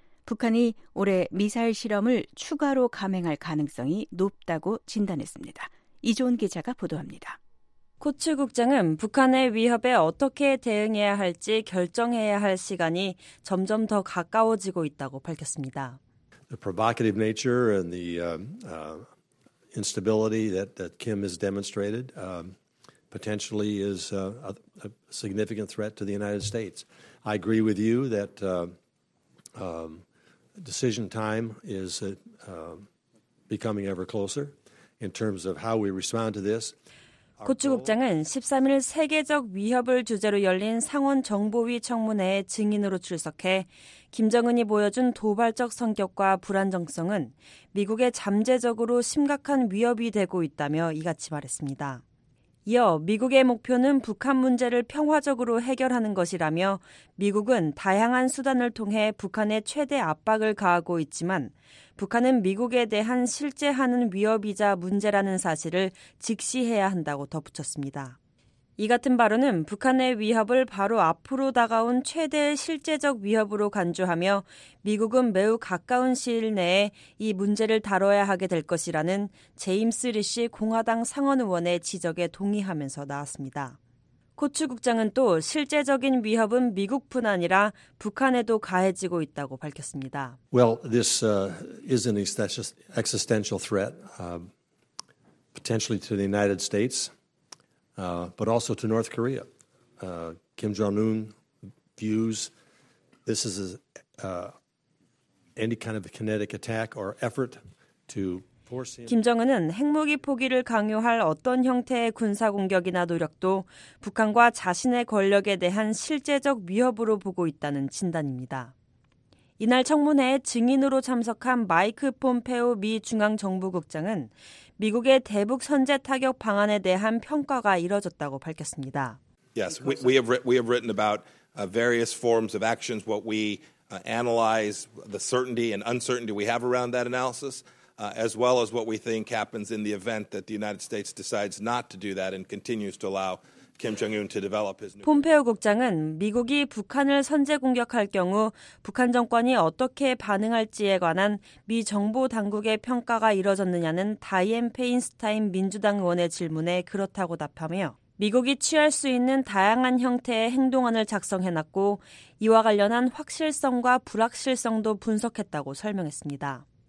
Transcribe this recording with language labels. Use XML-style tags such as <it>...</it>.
<ko>북한이 올해 미사일 실험을 추가로 감행할 가능성이 높다고 진단했습니다. 이조은 기자가 보도합니다. 코츠 국장은 북한의 위협에 어떻게 대응해야 할지 결정해야 할 시간이 점점 더 가까워지고 있다고 밝혔습니다.</ko> <en>The provocative nature and the instability that Kim has demonstrated potentially is a significant threat to the United States. I agree with you that decision time is becoming ever closer in terms of how we respond to this.</en> <ko>코츠 국장은 13일 세계적 위협을 주제로 열린 상원 정보위 청문회에 증인으로 출석해 김정은이 보여준 도발적 성격과 불안정성은 미국에 잠재적으로 심각한 위협이 되고 있다며 이같이 말했습니다. 이어 미국의 목표는 북한 문제를 평화적으로 해결하는 것이라며 미국은 다양한 수단을 통해 북한에 최대 압박을 가하고 있지만 북한은 미국에 대한 실제 하는 위협이자 문제라는 사실을 직시해야 한다고 덧붙였습니다. 이 같은 발언은 북한의 위협을 바로 앞으로 다가온 최대의 실제적 위협으로 간주하며 미국은 매우 가까운 시일 내에 이 문제를 다뤄야 하게 될 것이라는 제임스 리시 공화당 상원의원의 지적에 동의하면서 나왔습니다. 코츠 국장은 또 실제적인 위협은 미국뿐 아니라 북한에도 가해지고 있다고 밝혔습니다.</ko> <en>Well, this is an existential threat potentially to the United States. But also to North Korea. Kim Jong-un views this as any kind of a kinetic attack or effort to force him.</en> <ko>김정은은 핵무기 포기를 강요할 어떤 형태의 군사 공격이나 노력도 북한과 자신의 권력에 대한 실제적 위협으로 보고 있다는 진단입니다. 이날 청문회에 증인으로 참석한 마이크 폼페오 미 중앙정보국장은 미국의 대북 선제 타격 방안에 대한 평가가 이뤄졌다고 밝혔습니다.</ko> <en>Yes, we have written about various forms of actions. What we analyze the certainty and uncertainty we have around that analysis, as well as what we think happens in the event that the United States decides not to do that and continues to allow.</en> <ko>폼페오 국장은 미국이 북한을 선제 공격할 경우 북한 정권이 어떻게 반응할지에 관한 미 정보 당국의 평가가 이뤄졌느냐는 다이앤 페인스타인 민주당 의원의 질문에 그렇다고 답하며 미국이 취할 수 있는 다양한 형태의 행동안을 작성해놨고 이와 관련한 확실성과 불확실성도 분석했다고 설명했습니다.</ko>